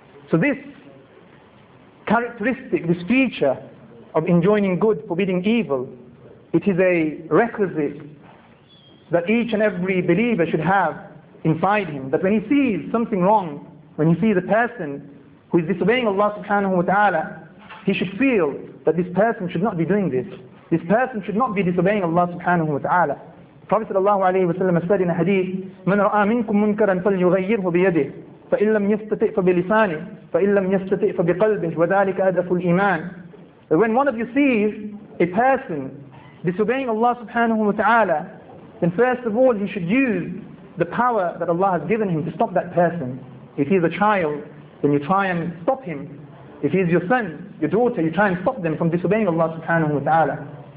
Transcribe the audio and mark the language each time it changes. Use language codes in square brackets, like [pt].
[en] So this characteristic, this feature of enjoining good, forbidding evil, it is a requisite that each and every believer should have inside him, that when he sees something wrong, when he sees a person who is disobeying Allah subhanahu wa ta'ala, he should feel that this person should not be doing this. This person should not be disobeying Allah subhanahu wa ta'ala. Prophet sallallahu alayhi wa sallam said in a hadith, [ar] مَنْ رَآ مِنْكُمْ مُنْكَرًا فَلْيُغَيِّرْهُ بِيَدِهِ فَإِنْ لَمْ يَسْتَطِئْ فَبِلِسَانِهِ فَإِنْ لَمْ يَسْتَطِئْ فَبِقَلْبِهِ وَذَلِكَ أَدْرَفُ الْإِيمَانِ. [en] When one of you sees a person disobeying Allah subhanahu wa ta'ala, then first of all he should use the power that Allah has given him to stop that person. If he is a child, then you try and stop him. If he is your son, your daughter, you try and stop them from disobeying Allah subhanahu wa ta'ala.